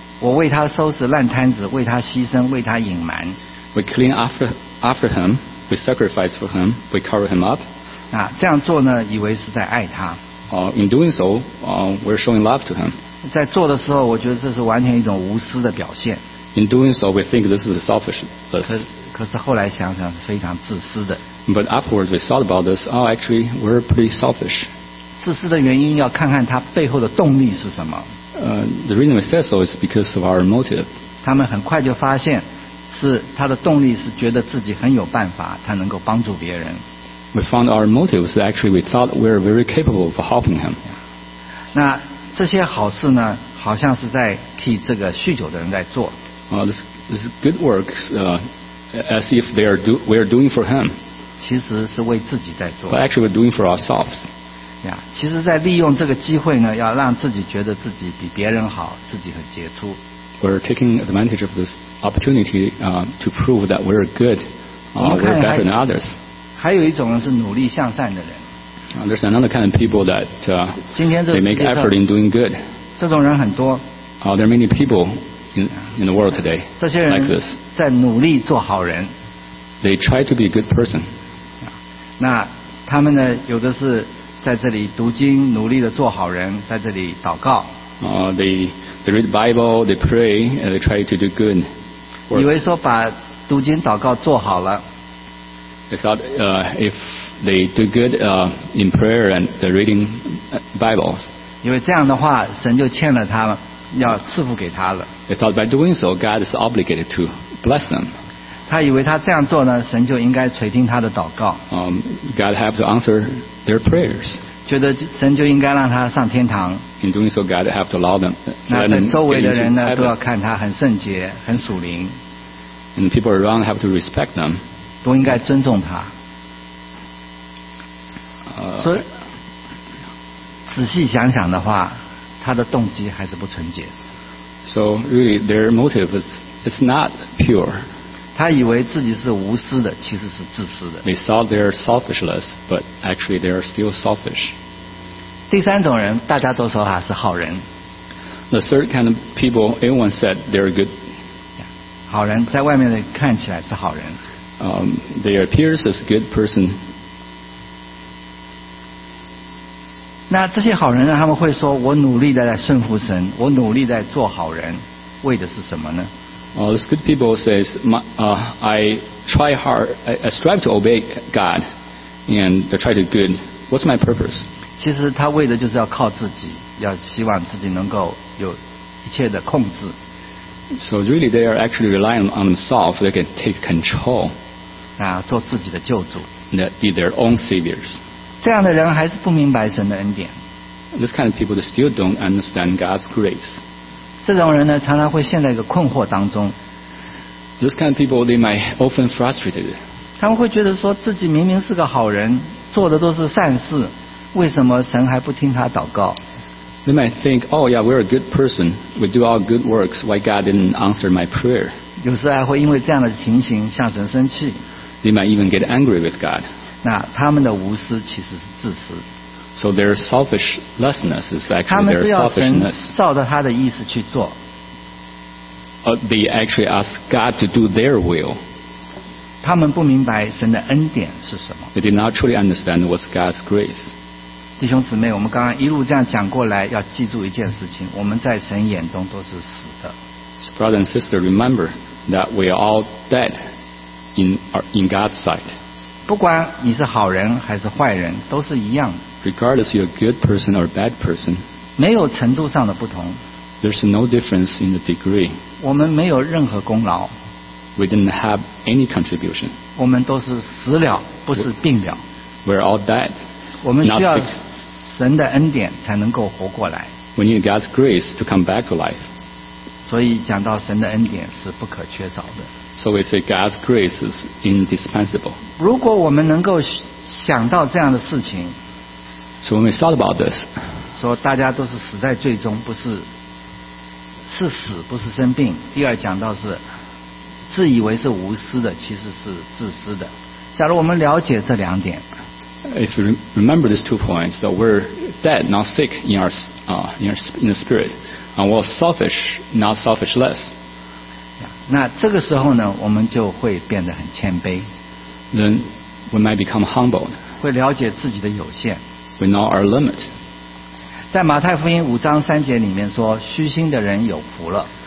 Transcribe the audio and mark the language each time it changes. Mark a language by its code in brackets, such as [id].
[zh] 我为他收拾烂摊子，为他牺牲，为他隐瞒。 [en] We clean after him. We sacrifice for him. We cover him up. [zh] 那这样做呢，以为是在爱他。 [en] In doing so, we're showing love to him. [zh] 在做的时候，我觉得这是完全一种无私的表现。 [en] In doing so, we think this is selfishness. [zh] 可是后来想想是非常自私的。 [en] But afterwards, we thought about this. Oh, actually, we're pretty selfish. [zh] 自私的原因要看看他背后的动力是什么。 [en] The reason we say so is because of our motive. [zh] 他们很快就发现，是他的动力是觉得自己很有办法，他能够帮助别人。 [en] We found our motive is actually we thought we were very capable of helping him. [zh] 那这些好事呢，好像是在替这个酗酒的人在做。 [en] This good works, as if we are doing for him. [zh] 其实是为自己在做。 [en] But actually, we're doing for ourselves. [zh] 其实在利用这个机会呢，要让自己觉得自己比别人好，自己很杰出。 [en] We're taking advantage of this opportunity, to prove that we're good, we're better than others. [zh] 还有一种呢，是努力向善的人。 [en] There's another kind of people that, they make effort in doing good. [zh] 这种人很多。 [en] There are many people in the world today, like this. [zh] 这些人在努力做好人。 [en] They try to be a good person. [zh] 那他们呢，有的是在这里读经，努力的做好人，在这里祷告。 [en] They read the Bible, they pray, and they try to do good. [zh] 以为说把读经祷告做好了。 [en] They thought, if they do good, in prayer and the reading Bible. [zh] 因为这样的话，神就欠了他们。要赐福给他了。 [en] They thought by doing so, God is obligated to bless them. [zh] 他以为他这样做呢，神就应该垂听他的祷告。 [en] God have to answer their prayers. [zh] 觉得神就应该让他上天堂。 [en] In doing so, God have to allow them. [zh] 那在周围的人呢，都要看他很圣洁，很属灵。 [en] And people around have to respect them. [zh] 都应该尊重他。所以，仔细想想的话。他的动机还是不纯洁。 [en] So really, their motive is not pure. [zh] 他以为自己是无私的，其实是自私的。 [en] They thought they are selfishless, but actually they are still selfish. [zh] 第三种人，大家都说他是好人。 [en] The third kind of people, everyone said they are good. [zh] 好人在外面看起来是好人。 [en] They appear as a good person. [zh] 那这些好人呢，他们会说我努力的在顺服神，我努力在做好人，为的是什么呢？ [en] These good people say, I strive to obey God and try to do good. What's my purpose? [zh] 其实他为的就是要靠自己，要希望自己能够有一切的控制。 [en] So really they are actually relying on themselves, they can take control. [zh] 啊，做自己的救主。 [en] That be their own saviors. [zh] 这样的人还是不明白神的恩典。 [en] This kind of people still don't understand God's grace. [zh] 这种人呢，常常会陷在一个困惑当中。 [en] This kind of people they might often frustrated. [zh] 他们会觉得说自己明明是个好人，做的都是善事，为什么神还不听他祷告 [en] ？They might think, oh yeah, we're a good person. We do all good works. Why God didn't answer my prayer? [zh] 有时还会因为这样的情形向神生气。 [en] They might even get angry with God. [zh] 那他们的无私其实是自私。 [en] So their selfishness is actually their selfishness. [zh] 他们是要神照着他的意思去做。 [en] They actually ask God to do their will. [zh] 他们不明白神的恩典是什么。 [en] They did not truly understand what's God's grace. [zh] 弟兄姊妹，我们刚刚一路这样讲过来，要记住一件事情：我们在神眼中都是死的。 [en] Brother and sister, remember that we are all dead in God's sight. [zh] 不管你是好人还是坏人，都是一样的。 [en] Regardless you're a good person or a bad person, [zh] 没有程度上的不同。 [en] There's no difference in the degree. [zh] 我们没有任何功劳。 [en] We didn't have any contribution. [zh] 我们都是死了，不是病了。 [en] We're all dead. [zh] 我们需要神的恩典才能够活过来。 [en] We need God's grace to come back to life. [zh] 所以讲到神的恩典是不可缺少的。 [en] So we say God's grace is indispensable. [zh] 如果我们能够想到这样的事情， [en] So when we thought about this, [zh] 说大家都是死在罪中，不是是死，不是生病。第二讲到是自以为是无私的，其实是自私的。假如我们了解这两点， [en] If you remember these two points, that we're dead, not sick in our, in the spirit. And we're selfish, not selfishless. [zh] 那这个时候呢，我们就会变得很谦卑。 [en] Then we might become humbled. [zh] 会了解自己的有限。 [en] We know our limit. [zh] 在马太福音五章三节里面说，虚心的人有福了。